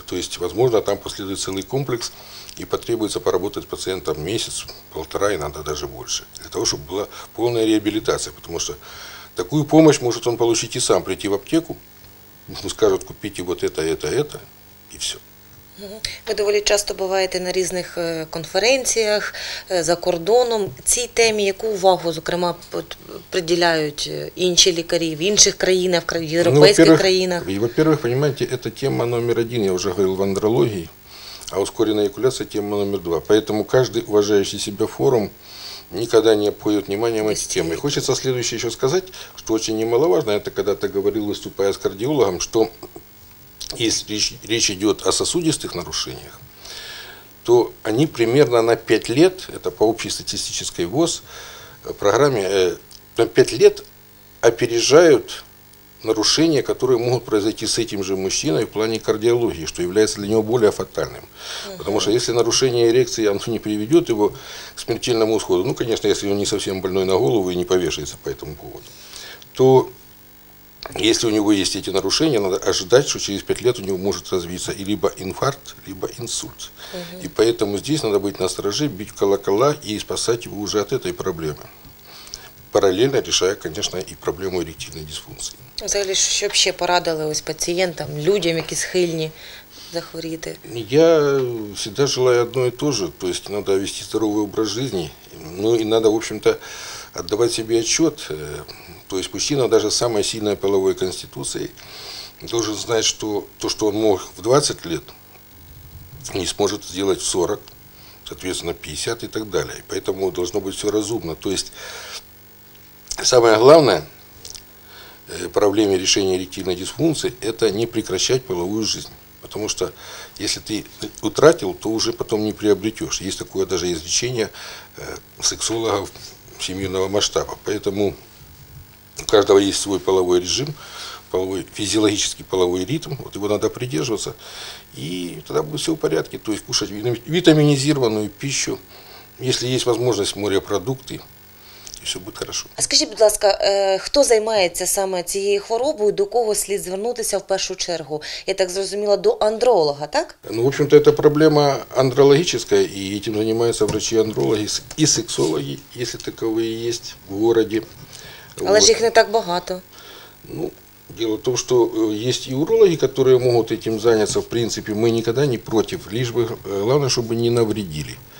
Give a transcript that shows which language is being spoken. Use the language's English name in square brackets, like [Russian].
[Russian] То есть, возможно, там последует целый комплекс и потребуется поработать с пациентом месяц, полтора, иногда даже больше, для того, чтобы была полная реабилитация, потому что такую помощь может он получить и сам, прийти в аптеку, ему скажут, купите вот это, и все. [Ukrainian] Ви доволі часто буваєте на різних конференціях за кордоном. Цій темі, яку увагу, зокрема, приділяють інші лікарі в інших країнах, в європейських країнах? [Russian] Во-первых, [Ukrainian] розумієте, це тема номер один, я вже говорив в андрології, а ускорена екуляція – тема номер два. [Russian] Поэтому каждый уважающий себя форум никогда не обходит вниманием этой темы. Хочется следующее еще сказать, что очень немаловажно, это когда-то говорил, выступая с кардиологом, что если речь идет о сосудистых нарушениях, то они примерно на 5 лет, это по общей статистической ВОЗ программе, на 5 лет опережают нарушения, которые могут произойти с этим же мужчиной в плане кардиологии, что является для него более фатальным. Потому что если нарушение эрекции, оно не приведет его к смертельному исходу, ну, конечно, если он не совсем больной на голову и не повешается по этому поводу, то если у него есть эти нарушения, надо ожидать, что через 5 лет у него может развиться либо инфаркт, либо инсульт. И поэтому здесь надо быть настороже, бить колокола и спасать его уже от этой проблемы. Параллельно решая, конечно, и проблему эректильной дисфункции. Взагалі, что вообще порадили пациентам, людям, которые [Ukrainian] схильні захворіти? [Russian] Я всегда желаю одно и то же. То есть надо вести здоровый образ жизни. Ну и надо, в общем-то, отдавать себе отчет. То есть мужчина даже с самой сильной половой конституцией должен знать, что то, что он мог в 20 лет, не сможет сделать в 40, соответственно, 50 и так далее. Поэтому должно быть все разумно. То есть самое главное проблема решения эректильной дисфункции – это не прекращать половую жизнь. Потому что если ты утратил, то уже потом не приобретешь. Есть такое даже излечение сексологов всемирного масштаба. Поэтому у каждого есть свой половой режим, половой, физиологический половой ритм, вот его надо придерживаться, и тогда будет все в порядке, то есть кушать витаминизированную пищу, если есть возможность, морепродукты, и все будет хорошо. А скажите, пожалуйста, кто занимается [Ukrainian] саме цією хворобою, до кого слід звернутися в першу чергу? Я так зрозуміла, до андролога, так? [Russian] Ну, в общем-то, это проблема андрологическая, и этим занимаются врачи-андрологи и сексологи, если таковые есть в городе. [Ukrainian] Але ж їх не так багато. [Russian] Ну, дело в том, что есть и урологи, которые могут этим заняться, в принципе, мы никогда не против, лишь бы, главное, чтобы не навредили.